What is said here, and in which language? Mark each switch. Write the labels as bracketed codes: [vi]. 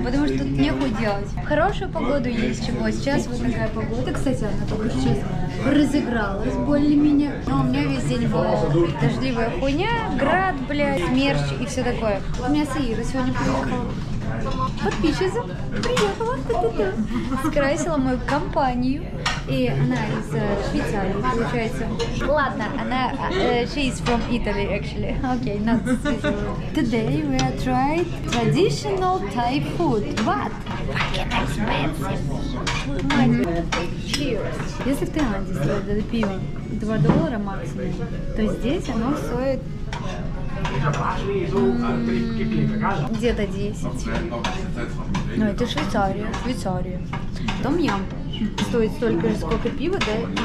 [ru] Потому что тут нехуй делать. Хорошую погоду есть чего. Сейчас вот такая погода, кстати, она только сейчас разыгралась более-менее. Но у меня весь день была дождливая хуйня, град, блядь, смерч и все такое. У меня Саира сегодня приехала. Подписчица приехала. Скрасила мою компанию. И она из Швейцарии, получается. Ладно, она... [en] she is from Italy, actually. Okay, not Switzerland. Today we are trying traditional Thai food, but fucking expensive. Cheers. [ru] Если в Таиланде стоит это пиво $2 максимум, то здесь оно стоит Где-то 10. Ну, это Швейцария, Швейцария. Том-ям стоит столько же, сколько пива, да?